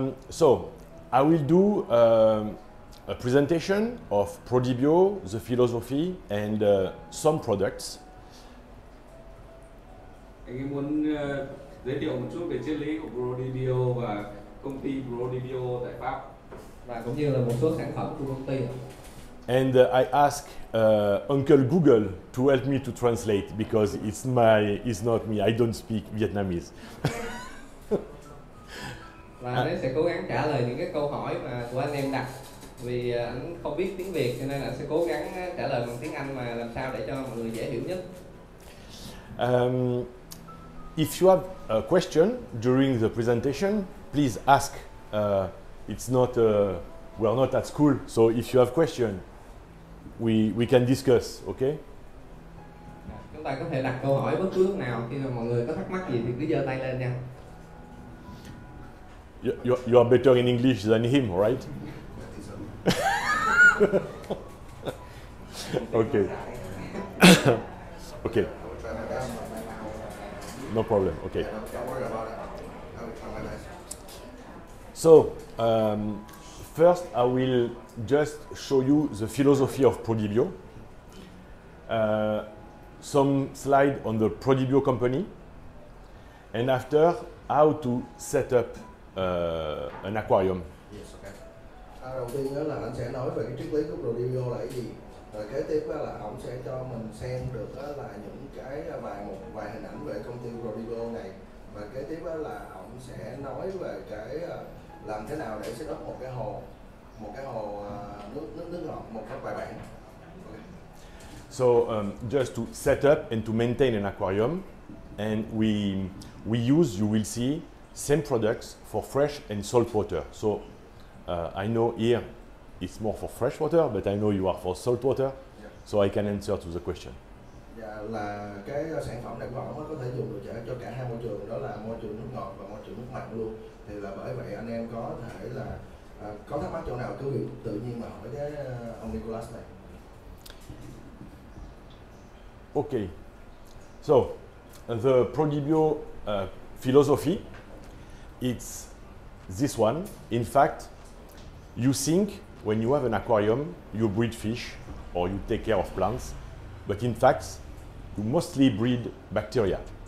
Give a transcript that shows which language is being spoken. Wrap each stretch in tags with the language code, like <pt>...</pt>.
<en>So I will do a presentation of Prodibio, the philosophy, and some products.</en> <vi>Anh muốn giới thiệu một chút về triết lý của Prodibio và công ty Prodibio tại Pháp và cũng như là một số sản phẩm của công ty.</vi> <en>And I ask Uncle Google to help me to translate because it's not me. I don't speak Vietnamese.</en> <vi>Và anh sẽ cố gắng trả lời những cái câu hỏi mà của anh em đặt vì anh không biết tiếng Việt cho nên là sẽ cố gắng trả lời bằng tiếng Anh mà làm sao để cho mọi người dễ hiểu nhất.</vi> <en>If you have a question during the presentation, please ask. It's not we're not at school, so if you have question, we can discuss, okay?</en> <vi>Chúng ta có thể đặt câu hỏi bất cứ lúc nào, khi mà mọi người có thắc mắc gì thì cứ giơ tay lên nha.</vi> <en>You are better in English than him, right? Okay. Okay. No problem. Okay. So, first I will just show you the philosophy of Prodibio. Some slide on the Prodibio company, and after how to set up an aquarium. Yes, okay.</en> <vi>đầu tiên đó là anh sẽ nói về cái triết lý của Rodivio là cái gì. Rồi kế tiếp đó là ông sẽ cho mình xem được đó là những cái vài hình ảnh về công ty Rodivio này. Và kế tiếp đó là ông sẽ nói về cái làm thế nào để set up một cái hồ nước ngọt, một cái bài bản.</vi> <en>So just to set up and to maintain an aquarium, and we use, you will see, same products for fresh and saltwater. So I know here it's more for fresh water, but I know you are for saltwater. Yeah. So I can answer to the question.</en> <vi>Yeah, là cái sản phẩm này của họ có thể dùng được cho cả hai môi trường, đó là môi trường nước ngọt và môi trường nước mặn luôn. Thì là bởi vậy anh em có thể là có thắc mắc chỗ nào cứ việc tự nhiên mà hỏi cái ông Nicholas này.</vi> <en>Okay, so the Prodibio philosophy, it's this one. In fact, you think when you have an aquarium, you breed fish or you take care of plants, but in fact, you mostly breed bacteria.</en>